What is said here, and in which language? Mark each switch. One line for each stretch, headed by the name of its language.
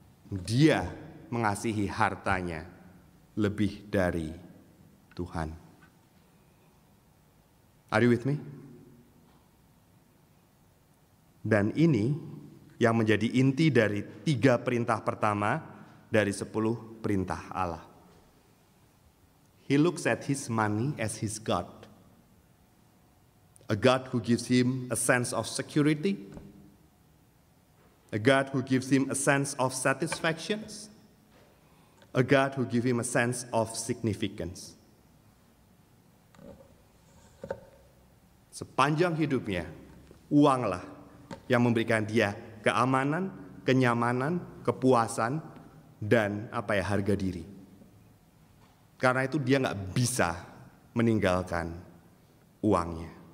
Indonesian: Dia mengasihi hartanya lebih dari Tuhan.
English: Are you with me?
Indonesian: Dan ini yang menjadi inti dari 3 perintah pertama dari 10 perintah Allah.
English: He looks at his money as his God. A God who gives him a sense of security. A God who gives him a sense of satisfaction. A God who gives him a sense of significance.
Indonesian: Sepanjang hidupnya, uanglah yang memberikan dia keamanan, kenyamanan, kepuasan, dan apa ya, harga diri. Karena itu dia gak bisa meninggalkan uangnya.